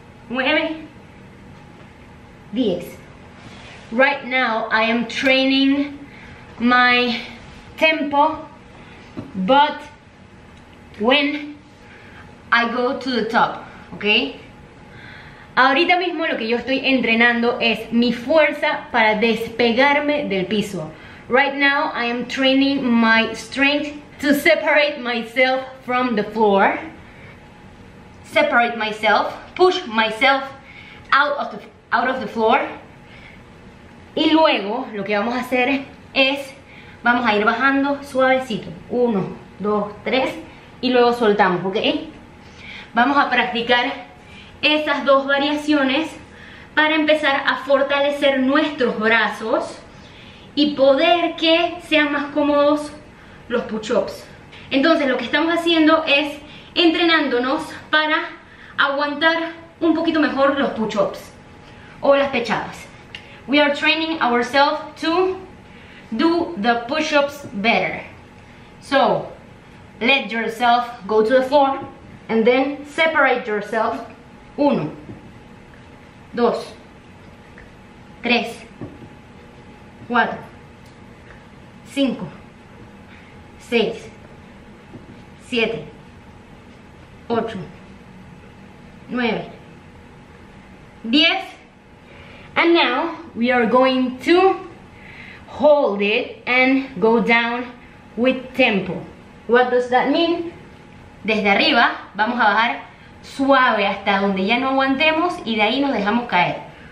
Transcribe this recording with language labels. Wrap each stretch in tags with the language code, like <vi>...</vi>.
<en>9, 10. Right now I am training my tempo, but when I go to the top, okay?</en> <es>Ahorita mismo lo que yo estoy entrenando es mi fuerza para despegarme del piso.</es> <en>Right now I am training my strength to separate myself from the floor. Separate myself, push myself out of the floor.</en> <es>Y luego lo que vamos a hacer es, vamos a ir bajando suavecito. 1, 2, 3 y luego soltamos, ¿ok? Vamos a practicar esas dos variaciones para empezar a fortalecer nuestros brazos y poder que sean más cómodos los push-ups. Entonces lo que estamos haciendo es entrenándonos para aguantar un poquito mejor los push-ups o las pechadas.</es> <en>We are training ourselves to do the push-ups better. So, let yourself go to the floor and then separate yourself. 1, 2, 3, 4, 5, 6, 7, 8, 9, 10. And now we are going to hold it and go down with tempo. What does that mean?</en> <es>Desde arriba vamos a bajar suave hasta donde ya no aguantemos y de ahí nos dejamos caer.</es>